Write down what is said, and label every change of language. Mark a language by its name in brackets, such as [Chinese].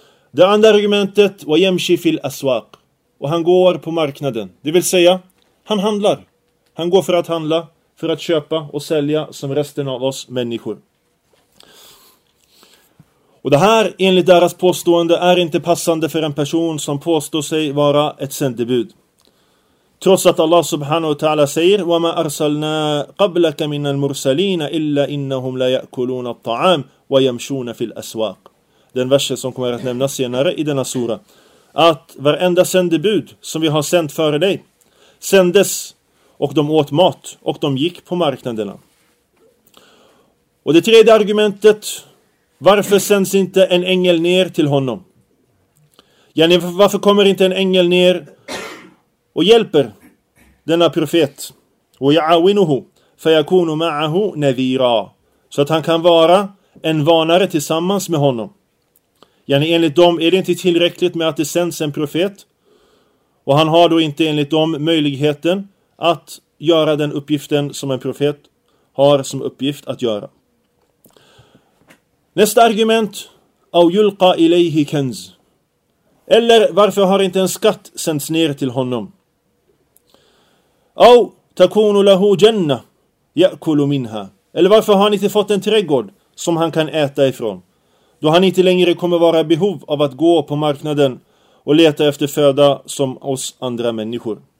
[Swedish] Det andra argumentet: [Arabic] wa yamshi fil aswaq, [Swedish] och han går på marknaden. Det vill säga, han handlar. Han går för att handla, för att köpa och sälja som resten av oss människor. Och det här, enligt deras påstående, är inte passande för en person som påstår sig vara ett sändebud. Trots att Allah subhanahu wa ta'ala säger: [Arabic] وَمَا أَرْسَلْنَا قَبْلَكَ مِنَ الْمُرْسَلِينَ إِلَّا إِنَّهُمْ لَيَأْكُلُونَ الطَّعَامَ وَيَمْشُونَ فِي الْأَسْوَاقِ. [Swedish] Den versen som kommer att nämnas senare i denna sura. Att varenda sändebud som vi har sänt före dig sändes och de åt mat och de gick på marknaderna. Och det tredje argumentet: varför sänds inte en ängel ner till honom? Yani, varför kommer inte en ängel ner och hjälper denna profet? [Arabic] وَيَعَوِنُهُ فَيَكُونُ مَعَهُ نَذِيرًا. [Swedish] Så att han kan vara en varnare tillsammans med honom. Yani, enligt dem är det inte tillräckligt med att det sänds en profet. Och han har då inte enligt dem möjligheten att göra den uppgiften som en profet har som uppgift att göra. Nästa argument: [Arabic] أَوْ يُلْقَ إِلَيْهِ كَنْز. [Swedish] Eller varför har inte en skatt sänds ner till honom? [Arabic] أَوْ تَكُونُ لَهُ جَنَّةِ يَأْكُلُ مِنْهَا. [Swedish] Eller varför har han inte fått en trädgård som han kan äta ifrån? Då han inte längre kommer vara i behov av att gå på marknaden och leta efter föda som oss andra människor.